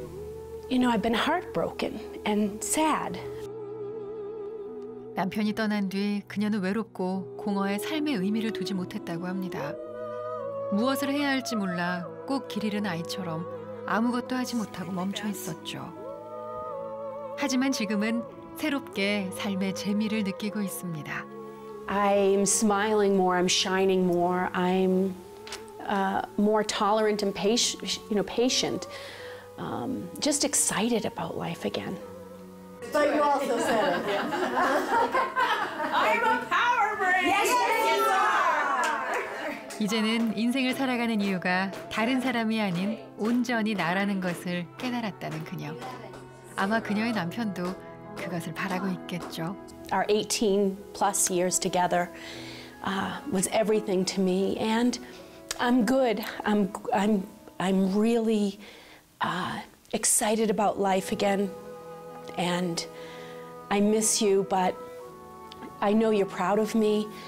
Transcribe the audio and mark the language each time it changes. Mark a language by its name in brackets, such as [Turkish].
[English] 54 years old. I've been experiencing a lot of death in my life. My father passed away fairly recently. My best friend passed away. My nephew passed away, and my husband passed away. And you know, I've been heartbroken and sad. [Korean] 남편이 떠난 뒤 그녀는 외롭고 공허해 삶의 의미를 두지 못했다고 합니다. 무엇을 해야 할지 몰라 꼭 길 잃은 아이처럼 아무것도 하지 못하고 멈춰 있었죠. 하지만 지금은 새롭게 삶의 재미를 느끼고 있습니다. [English] I'm smiling more. I'm shining more. I'm more tolerant and patient, you know, patient. Just excited about life again. But you also said it. I'm a power brain. Yes, you are. [Korean] 이제는 인생을 살아가는 이유가 다른 사람이 아닌 온전히 나라는 것을 깨달았다는 그녀. 아마 그녀의 남편도 그것을 바라고 있겠죠. [English] our 18 plus years together was everything to me. And I'm good. I'm really excited about life again. And I miss you, but I know you're proud of me.